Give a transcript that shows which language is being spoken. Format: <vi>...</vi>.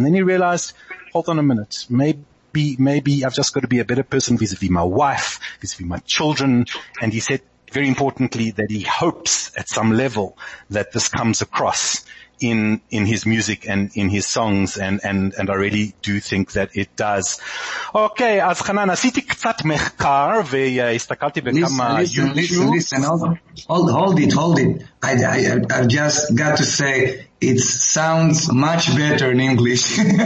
<en>And then he realized, hold on a minute, maybe I've just got to be a better person vis-a-vis my wife, vis-a-vis my children. And he said, very importantly, that he hopes at some level that this comes across in his music and in his songs, and I really do think that it does.</en> <he>Okay, as Hanan, עשיתי קצת מחקר והסתכלתי בכמה</he> <en>YouTube. Listen, hold it. I just got to say it sounds much better in English.</en>